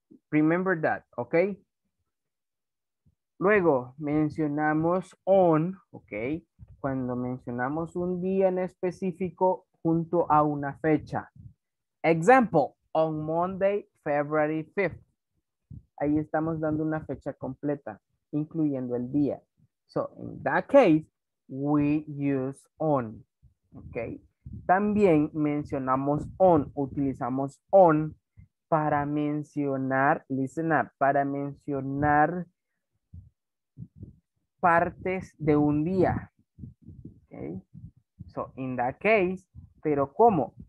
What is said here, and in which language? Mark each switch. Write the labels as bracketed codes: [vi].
[en] Remember that, [es] ok. Luego, mencionamos on, ok. Cuando mencionamos un día en específico junto a una fecha. [en] Example, on Monday, February 5th. [es] Ahí estamos dando una fecha completa, incluyendo el día. [en] So, in that case, we use on, ok. [es] También mencionamos on, utilizamos on para mencionar, [en] listen up, [es] para mencionar partes de un día. [en] Okay. So, in that case, [es] pero ¿cómo?